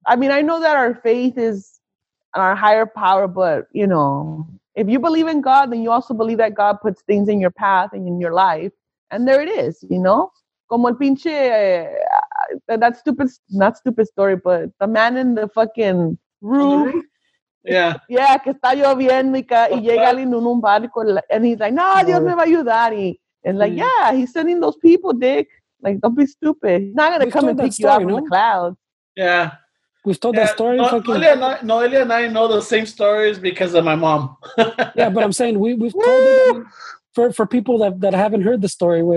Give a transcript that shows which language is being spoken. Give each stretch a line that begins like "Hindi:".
English: I mean, I know that our faith is our higher power, but, you know... If you believe in God, then you also believe that God puts things in your path and in your life. And there it is, you know?
Spanish: Como el pinche,
English: that stupid, not stupid story, but the man in the fucking roof. Yeah.
Spanish: Yeah, que está lloviendo y llega alguien en un barco.
English: And he's like,
Spanish: no, Dios me va a ayudar.
English: And like, yeah, he's sending those people, dick. Like, don't be stupid. He's not going to come and pick you up from the clouds. Yeah. We've told that story. Noelia and I know the same stories because of my mom. Yeah, but I'm saying we've told it for people that haven't heard the story.